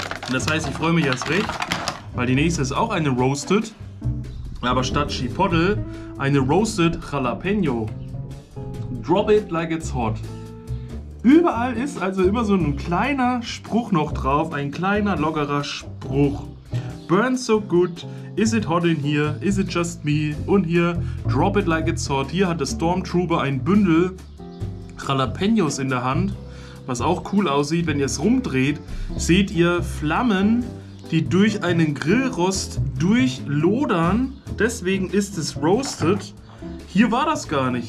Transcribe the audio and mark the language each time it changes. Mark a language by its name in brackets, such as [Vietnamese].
[German] Das heißt, ich freue mich erst recht, weil die nächste ist auch eine Roasted. Aber statt Chipotle eine Roasted Jalapeno. [English] Drop it like it's hot. [German] Überall ist also immer so ein kleiner Spruch noch drauf, ein kleiner lockerer Spruch. [English] Burn so good, is it hot in here, is it just me? [German] Und hier, [English] drop it like it's hot. [German] Hier hat der Stormtrooper ein Bündel Jalapenos in der Hand, was auch cool aussieht. Wenn ihr es rumdreht, seht ihr Flammen, die durch einen Grillrost durchlodern. Deswegen ist es roasted. Hier war das gar nicht.